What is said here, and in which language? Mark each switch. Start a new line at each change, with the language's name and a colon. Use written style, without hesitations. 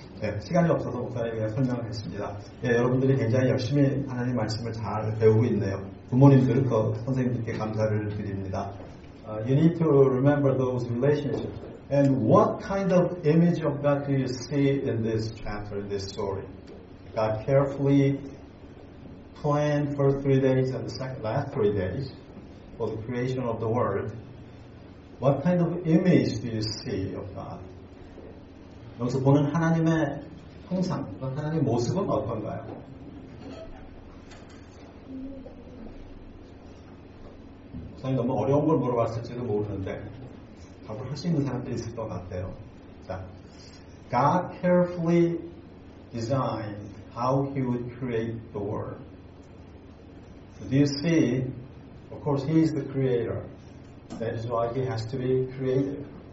Korean: 네, 시간이 없어서 목사님이 설명했습니다. 네, 여러분들이 굉장히 열심히 하나님 말씀을 잘 배우고 있네요. 부모님들, 그 선생님들께 감사를 드립니다.
English: You need to remember those relationships. And what kind of image of God do you see in this chapter, in this story? God carefully planned for 3 days and the last 3 days for the creation of the world. What kind of image do you see of God?
Korean: 여기서 보는 하나님의 형상, 하나님의 모습은 어떤가요? 저는 너무 어려운 걸 물어봤을지도 모르는데 답을 할 수 있는 사람들이 있을 것 같아요.
English: 자, God carefully designed how he would create the world. So do you see, of course he is the creator. That is why he has to be creative.